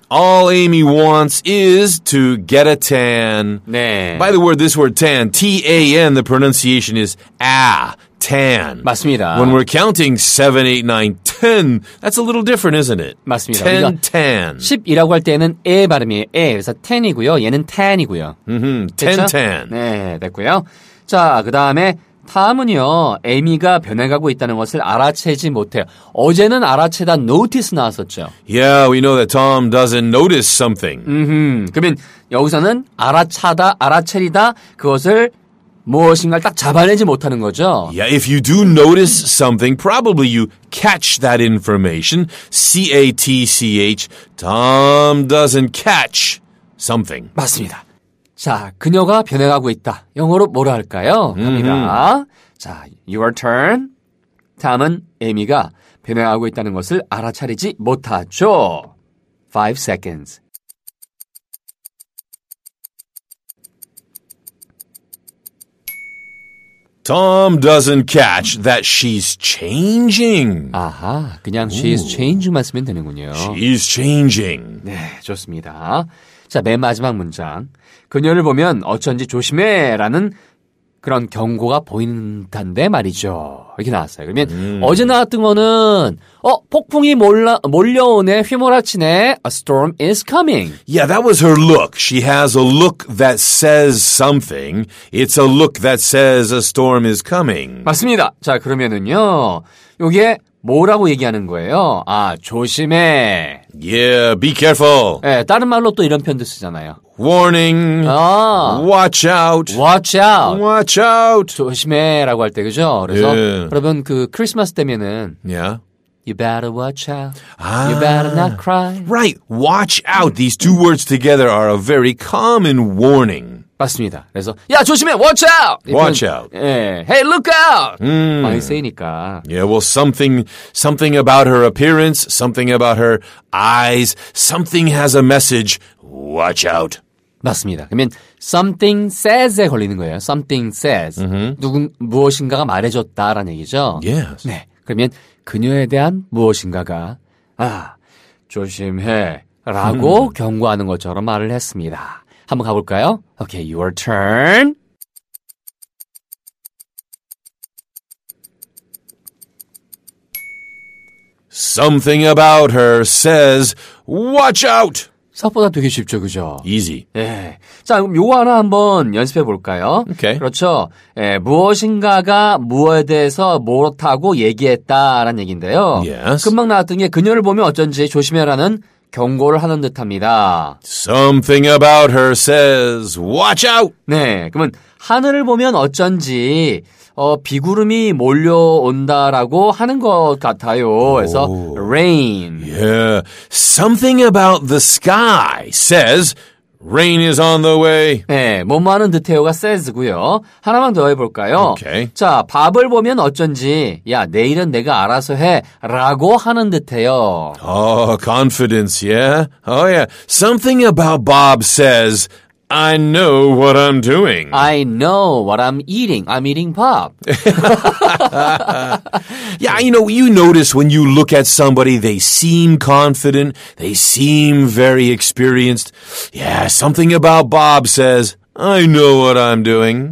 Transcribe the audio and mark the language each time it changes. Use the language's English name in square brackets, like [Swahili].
[English] All Amy wants is to get a tan. [Korean] 네. [English] By the word, this word tan, T-A-N, the pronunciation is ah, tan. [Korean] 맞습니다. [English] When we're counting 7, 8, 9, 10, that's a little different, isn't it? [Korean] 맞습니다. [English] 10, 10. [Korean] 10이라고 할 때는 에 발음이에요. 에, 그래서 10이고요. 얘는 tan이고요. [English] 10, 10. [Korean] 네, 됐고요. 자, 그 다음에 탐은요, 에미가 변해가고 있다는 것을 알아채지 못해요. 어제는 알아채다 notice 나왔었죠. [English] Yeah, we know that Tom doesn't notice something. [Korean] 그러면 여기서는 알아차다, 알아채리다, 그것을 무엇인가를 딱 잡아내지 못하는 거죠. [English] Yeah, if you do notice something, probably you catch that information. C-A-T-C-H. Tom doesn't catch something. [Korean] 맞습니다. 자, 그녀가 변해가고 있다. 영어로 뭐라 할까요? 갑니다. Mm-hmm. 자, [English] your turn. [Korean] 다음은 에미가 변해가고 있다는 것을 알아차리지 못하죠. [English] 5 seconds. Tom doesn't catch that she's changing. [Korean] 아하, 그냥 [English] she's changing [Korean] 만 쓰면 되는군요. [English] She's changing. [Korean] 네, 좋습니다. 자, 맨 마지막 문장. 그녀를 보면 어쩐지 조심해라는 그런 경고가 보이는 듯한데 말이죠. 이렇게 나왔어요. 그러면 어제 나왔던 거는 어 폭풍이 몰려오네, 휘몰아치네. [English] A storm is coming. Yeah, that was her look. She has a look that says something. It's a look that says a storm is coming. [Korean] 맞습니다. 자, 그러면은요. 이게 뭐라고 얘기하는 거예요? 아, 조심해. [English] Yeah, be careful. [Korean] 네, 다른 말로 또 이런 표현도 쓰잖아요. [English] Warning. 아, watch out. Watch out. Watch out. [Korean] 조심해라고 할 때, 그죠? 그래서 여러분, 그 크리스마스 때면은 [English] Yeah. You better watch out. 아, you better not cry. Right. Watch out. These two words together are a very common warning. [Korean] 맞습니다. 그래서 야 조심해, [English] watch out, watch 이런, out, [Korean] 예, [English] hey look out, [Korean] 많이 쓰이니까. [English] Yeah, well something about her appearance, something about her eyes, something has a message. Watch out. [Korean] 맞습니다. 그러면 [English] something says [Korean] 에 걸리는 거예요. [English] Something says, mm-hmm. [Korean] 누군 무엇인가가 말해줬다라는 얘기죠. [English] Yes. [Korean] 네. 그러면 그녀에 대한 무엇인가가 아 조심해라고 경고하는 것처럼 말을 했습니다. 한번 가볼까요? [English] Okay, your turn. Something about her says, watch out! [Korean] 생각보다 되게 쉽죠, 그죠? [English] Easy. [Korean] 예. 자, 그럼 요거 하나 한번 연습해 볼까요? [English] Okay. [Korean] 그렇죠. 예, 무엇인가가 무엇에 대해서 뭐라고 얘기했다라는 얘기인데요. [English] Yes. [Korean] 금방 나왔던 게 그녀를 보면 어쩐지 조심해라는 경고를 하는 듯합니다. [English] Something about her says, watch out! [Korean] 네, 그러면 하늘을 보면 어쩐지 비구름이 몰려온다라고 하는 것 같아요. 그래서 rain. [English] Yeah, something about the sky says, rain is on the way. [Korean] 네, 뭐뭐하는 듯해요가 says고요. 하나만 더 해볼까요? [English] Okay. [Korean] 자, 밥을 보면 어쩐지 야, 내일은 내가 알아서 해 라고 하는 듯해요. [English] Oh, confidence, yeah? Oh, yeah. Something about Bob says, I know what I'm doing. I know what I'm eating. I'm eating Bob. Yeah, you know, you notice when you look at somebody, they seem confident. They seem very experienced. Yeah, something about Bob says, I know what I'm doing.